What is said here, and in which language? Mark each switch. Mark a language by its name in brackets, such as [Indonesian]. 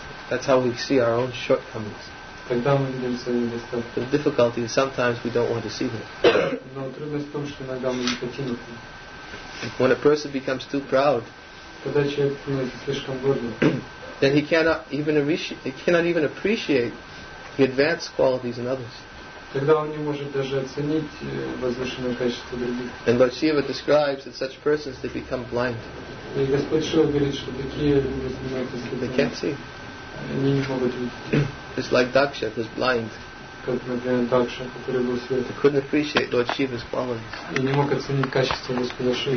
[English] That's how we see our own shortcomings. The difficulty is sometimes we don't want to see them. When a person becomes too proud, then he cannot even appreciate the advanced qualities in others. [Russian] Тогда он не может даже оценить возвышенное качество других. [English] And Lord Shiva describes that such persons they become blind. [Russian] И Господь Шива говорит, что такие люди становятся слепыми. [English] They can't see. [Russian] Они не могут видеть. [English] It's like Daksha, who's blind. [Russian] Как, например, Дакша, который был слеп. [English] He couldn't appreciate Lord Shiva's qualities. [Russian] И не мог оценить качество Господа Шивы.